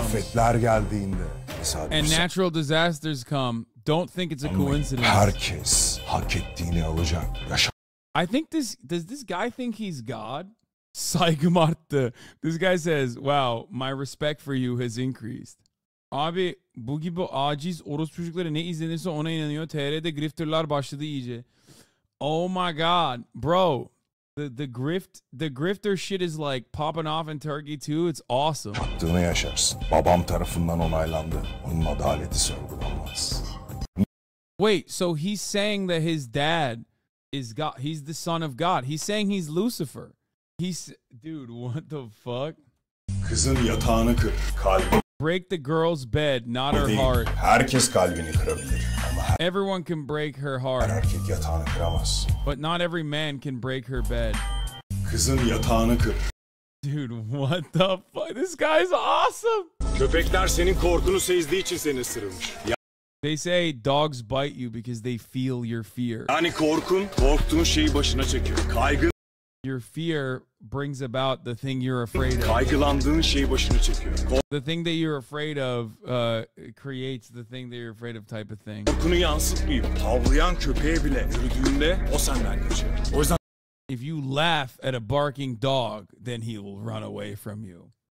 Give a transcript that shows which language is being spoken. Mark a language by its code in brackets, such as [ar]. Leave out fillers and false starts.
[tr] Afetler geldiğinde. Mesela [en] and natural disasters come. Don't think it's a coincidence. [tr] Herkes hak ettiğini alacak. Yaşa. [en] I think this, does this guy think he's God? [tr] Saygım arttı. [en] This guy says, wow, my respect for you has increased. [tr] Abi, bu gibi aciz oros çocukları ne izlenirse ona inanıyor. TR'de grifterlar başladı iyice. [en] Oh my God, bro. The grifter shit is like popping off in Turkey too. It's awesome. [tr] Çattığını yaşarsın. Babam tarafından onaylandı. Onun adaleti sorgulanmaz. [en] Wait, so he's saying that his dad is God. He's the son of God. He's saying he's Lucifer. He's... Dude, what the fuck? [tr] Kızın yatağını kır, kalbi. [en] Break the girl's bed, not her heart. [tr] Herkes kalbini kırabilir ama [en] everyone can break her heart. [tr] Her erkek yatağını kıramaz. [en] But not every man can break her bed. [tr] Kızın yatağını kır. [en] Dude, what the fuck? This guy's awesome. [tr] Köpekler senin korkunu sezdiği için seni ısırmış. [en] They say dogs bite you because they feel your fear. [tr] Yani korkun, korktuğun şeyi başına çekiyor. Kaygın. [en] Your fear brings about the thing you're afraid of. [tr] Kaygılandığın şeyi başına çekiyor. [en] The thing that you're afraid of creates the thing that you're afraid of type of thing. [tr] Korkunu yansıtmayıp havlayan köpeğe bile yürüdüğünde o senden kaçar. O yüzden [en] if you laugh at a barking dog, then he will run away from you.